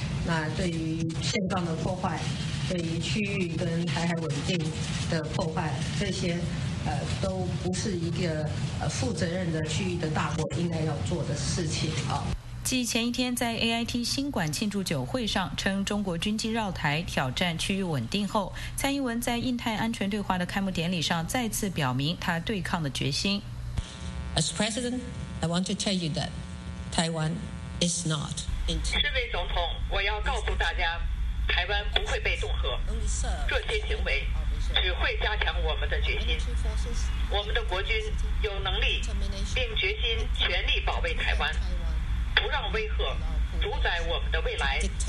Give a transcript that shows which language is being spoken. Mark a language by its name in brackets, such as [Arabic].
[Chinese] 那对于现状的破坏，对于区域跟台海稳定的破坏，这些都不是一个负责任的区域的大国应该要做的事情啊。继前一天在 AIT 新馆庆祝酒会上称中国军机绕台挑战区域稳定后，蔡英文在印太安全对话的开幕典礼上再次表明他对抗的决心。 [English] As president, I want to tell you that Taiwan is not. [Chinese] 身为总统，我要告诉大家，台湾不会被恫吓，这些行为只会加强我们的决心。我们的国军有能力并决心全力保卫台湾，不让威吓主宰我们的未来。